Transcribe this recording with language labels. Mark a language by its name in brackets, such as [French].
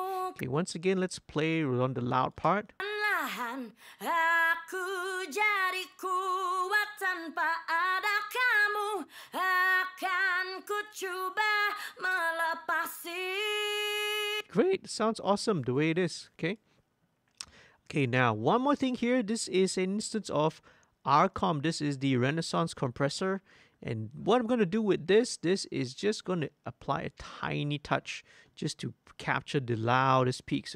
[English] Okay. Once again, let's play on the loud part. [Indonesian] Aku jadi kuat tanpa ada kamu akan ku coba melepasi. [English] Great, sounds awesome the way it is. Okay, now one more thing here. This is an instance of Arcom. This is the Renaissance compressor. And what I'm going to do with this, this is just going to apply a tiny touch just to capture the loudest peaks.